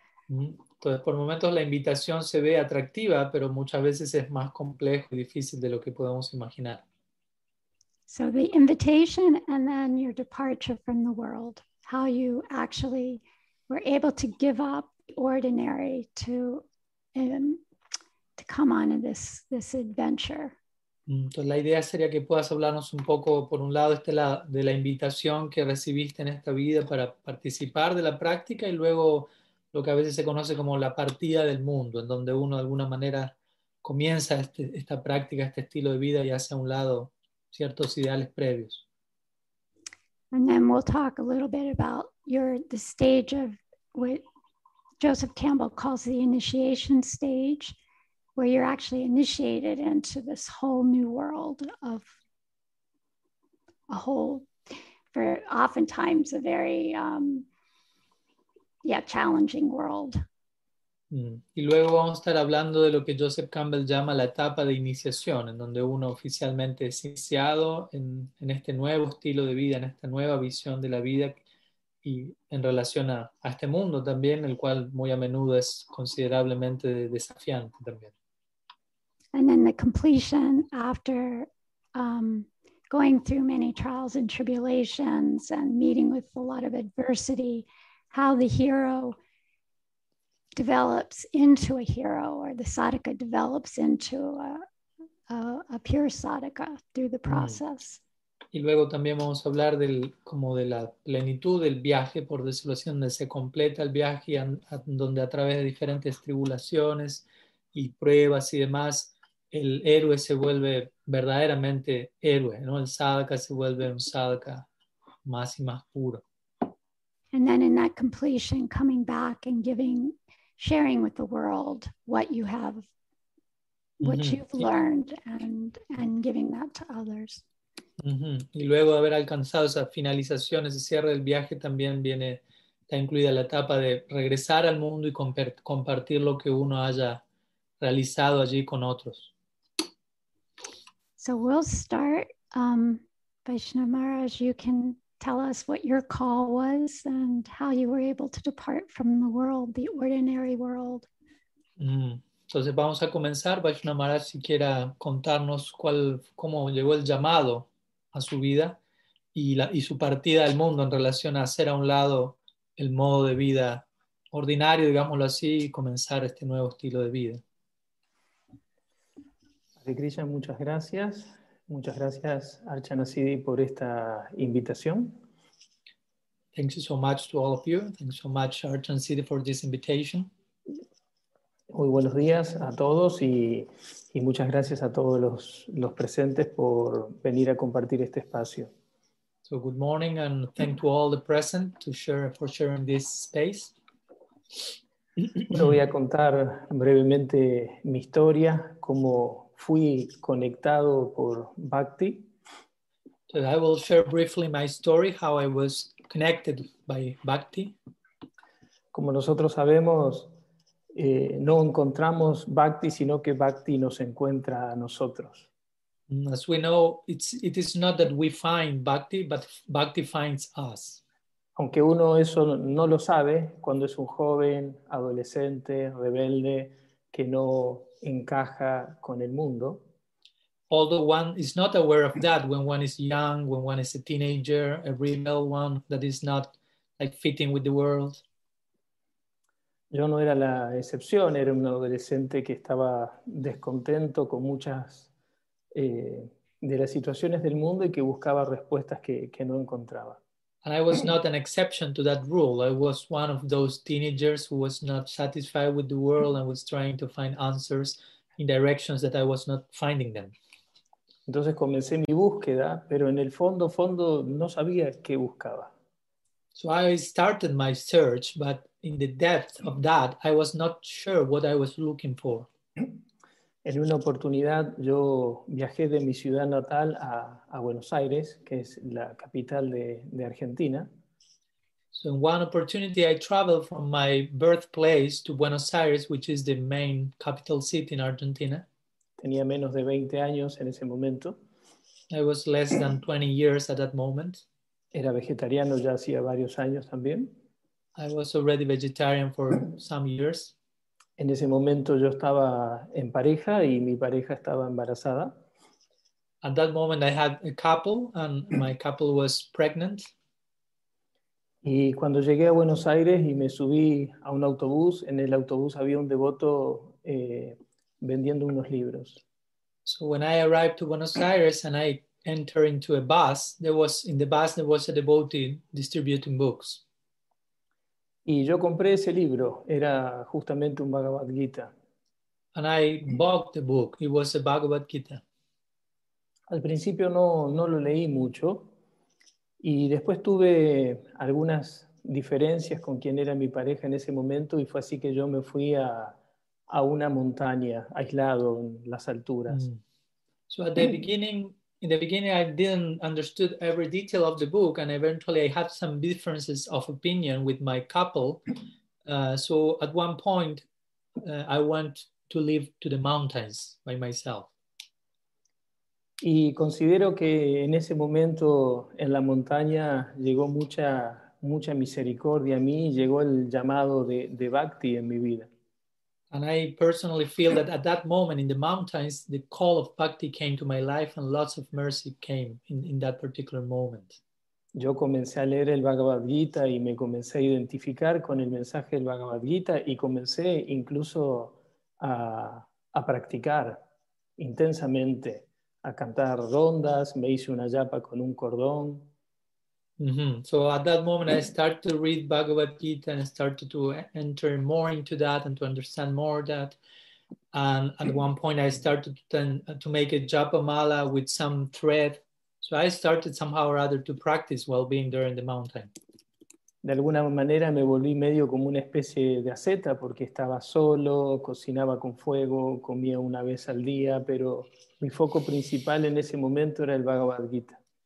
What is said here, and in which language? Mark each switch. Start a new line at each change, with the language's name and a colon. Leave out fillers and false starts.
Spanish: Entonces, por momentos la invitación se ve atractiva, pero muchas veces es más complejo y difícil de lo que podemos imaginar.
English: So the invitation and then your departure from the world, how you actually were able to give up ordinary to come on in this adventure.
Spanish: Entonces la idea sería que puedas hablarnos un poco, por un lado, de la invitación que recibiste en esta vida para participar de la práctica y luego lo que a veces se conoce como la partida del mundo, en donde uno de alguna manera comienza esta práctica, este estilo de vida y hace a un lado ciertos ideales previos.
English: And then we'll talk a little bit about the stage of what Joseph Campbell calls the initiation stage, where you're actually initiated into this whole new world of a whole, for oftentimes a very, challenging world.
Spanish: Y luego vamos a estar hablando de lo que Joseph Campbell llama la etapa de iniciación, en donde uno oficialmente es iniciado en este nuevo estilo de vida, en esta nueva visión de la vida y en relación a este mundo también, el cual muy a menudo es considerablemente desafiante también.
English: And then the completion after going through many trials and tribulations and meeting with a lot of adversity, how the hero develops into a hero, or the sadhaka develops into a pure sadhaka through the process.
Spanish: Y luego también vamos a hablar de la plenitud del viaje, por decirlo así, donde se completa el viaje, donde a través de diferentes tribulaciones y pruebas y demás, el héroe se vuelve verdaderamente héroe, ¿no? El sadhaka se vuelve un sadhaka más y más puro.
English: And then in that completion, coming back and sharing with the world what you've learned and giving that to others. Mm-hmm.
Spanish: Y luego de haber alcanzado esa finalización, ese cierre del viaje, también viene, está incluida la etapa de regresar al mundo y compartir lo que uno haya realizado allí con otros.
English: So we'll start, Vaisnava Maharaj, you can tell us what your call was and how you were able to depart from the world, the ordinary world.
Spanish: Entonces vamos a comenzar, Vaisnava Maharaj, si quiera contarnos cómo llegó el llamado a su vida y su partida del mundo en relación a hacer a un lado el modo de vida ordinario, digámoslo así, y comenzar este nuevo estilo de vida. Krishna, muchas gracias. Muchas gracias, Archana Siddhi, por esta invitación.
English: Thank you so much to all of you. Thank you so much, Archana Siddhi, for this invitation.
Spanish: Muy buenos días a todos y muchas gracias a todos los presentes por venir a compartir este espacio.
English: So good morning and thank to all the present for sharing this space.
Spanish: Bueno, voy a contar brevemente mi historia, cómo fui conectado por Bhakti.
English: So I will share briefly my story, how I was connected by Bhakti.
Spanish: Como nosotros sabemos, no encontramos Bhakti, sino que Bhakti nos encuentra a nosotros.
English: As we know, it is not that we find Bhakti, but Bhakti finds us.
Spanish: Aunque uno eso no lo sabe, cuando es un joven, adolescente, rebelde, que no encaja con el mundo.
English: Although one is not aware of that when one is young, when one is a teenager, a rebel one that is not like fitting with the world.
Spanish: Yo no era la excepción, era un adolescente que estaba descontento con muchas de las situaciones del mundo y que buscaba respuestas que no encontraba.
English: And I was not an exception to that rule. I was one of those teenagers who was not satisfied with the world and was trying to find answers in directions that I was not finding them.
Spanish: Entonces comencé mi búsqueda, pero en el fondo no sabía qué buscaba.
English: So I started my search, but in the depth of that, I was not sure what I was looking for.
Spanish: En una oportunidad, yo viajé de mi ciudad natal a Buenos Aires, que es la capital de Argentina.
English: So in one opportunity, I traveled from my birthplace to Buenos Aires, which is the main capital city in Argentina.
Spanish: Tenía menos de 20 años en ese momento.
English: I was less than 20 years at that moment.
Spanish: Era vegetariano ya hacía varios años también.
English: I was already vegetarian for some years.
Spanish: En ese momento yo estaba en pareja y mi pareja estaba embarazada.
English: At that moment I had a couple and my couple was pregnant.
Spanish: Y cuando llegué a Buenos Aires y me subí a un autobús, en el autobús había un devoto vendiendo unos libros.
English: So when I arrived to Buenos Aires and I entered into a bus, there was a devotee distributing books.
Spanish: Y yo compré ese libro, era justamente un Bhagavad Gita.
English: And I bought the book, it was a Bhagavad Gita.
Spanish: Al principio no lo leí mucho. Y después tuve algunas diferencias con quien era mi pareja en ese momento y fue así que yo me fui a una montaña aislado en las alturas.
English: So at the beginning, in the beginning I didn't understood every detail of the book and eventually I had some differences of opinion with my couple. So at one point I went to live to the mountains by myself.
Spanish: Y considero que en ese momento en la montaña llegó mucha misericordia a mí, llegó el llamado de Bhakti en mi vida.
English: And I personally feel that at that moment in the mountains, the call of Bhakti came to my life and lots of mercy came in that particular moment.
Spanish: Yo comencé a leer el Bhagavad Gita y me comencé a identificar con el mensaje del Bhagavad Gita y comencé incluso a practicar intensamente. A cantar rondas, me hice una yapa con un cordón. Mm-hmm.
English: So at that moment I started to read Bhagavad Gita and started to enter more into that and to understand more that. And at one point I started to make a japa mala with some thread. So I started somehow or other to practice while being there in the mountain.
Spanish: De alguna manera me volví medio como una especie de asceta porque estaba solo, cocinaba con fuego, comía una vez al día, pero mi foco principal en ese momento era el Bhagavad Gita.